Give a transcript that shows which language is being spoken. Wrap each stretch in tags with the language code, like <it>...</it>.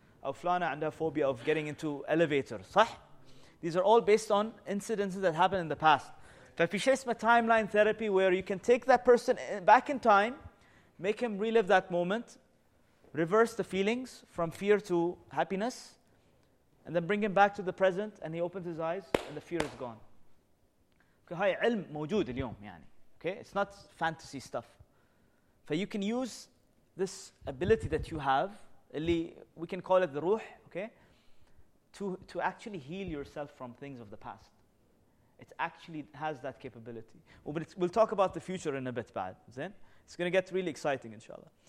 <ar>أو فلانة عندها</ar> <en>phobia of getting into elevator, صح؟ These are all based on incidents that happened in the past.</en> <ar>ففي شيء اسمه</ar> <en>timeline therapy where you can take that person back in time, make him relive that moment, reverse the feelings from fear to happiness, and then bring him back to the present, and he opens his eyes, and the fear is gone.</en> <ar>Okay, هاي علم موجود اليوم يعني.</ar> <en>Okay, it's not fantasy stuff. So you can use this ability that you have. We can call it the ruh, okay? To actually heal yourself from things of the past. It actually has that capability. We'll talk about the future in a bit, بعد. Then it's going to get really exciting, inshallah.</en>